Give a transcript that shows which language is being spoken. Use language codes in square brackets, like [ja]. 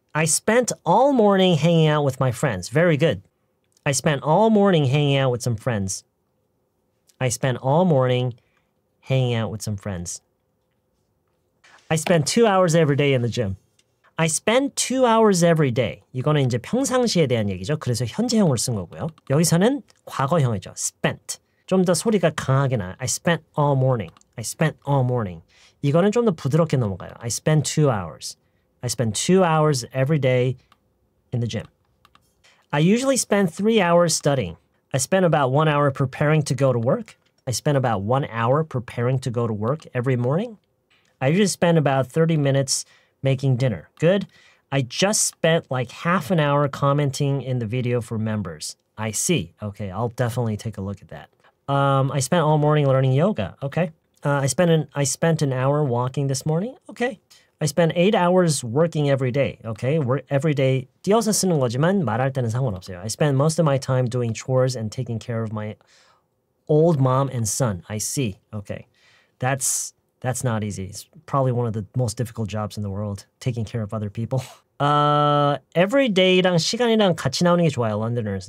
[en] I spent all morning hanging out with my friends. Very good. I spent all morning hanging out with some friends. I spent all morning hanging out with some friends. I spend 2 hours every day in the gym. I spend 2 hours every day. [ko] 이거는 이제 평상시에 대한 얘기죠. 그래서 현재형을 쓴 거고요. 여기서는 과거형이죠. Spent. 좀 더 소리가 강하게 나요. [en] I spent all morning. I spent all morning. [ko] 이거는 좀 더 부드럽게 넘어가요. [en] I spend 2 hours. I spend 2 hours every day in the gym. I usually spend 3 hours studying. I spend about 1 hour preparing to go to work. I spend about 1 hour preparing to go to work every morning. I usually spend about 30 minutes making dinner. Good. I just spent like half an hour commenting in the video for members. I see. Okay, I'll definitely take a look at that. I spent all morning learning yoga. Okay. I spent an hour walking this morning. Okay. I spent 8 hours working every day. Okay. Work every day. [ko] 뒤에서 쓰는 거지만 말할 때는 상관없어요. [en] I spent most of my time doing chores and taking care of my old mom and son. I see. Okay. That's not easy. It's probably one of the most difficult jobs in the world, taking care of other people. [ko] Every day랑 시간이랑 같이 나오는 게 좋아요, Londoners.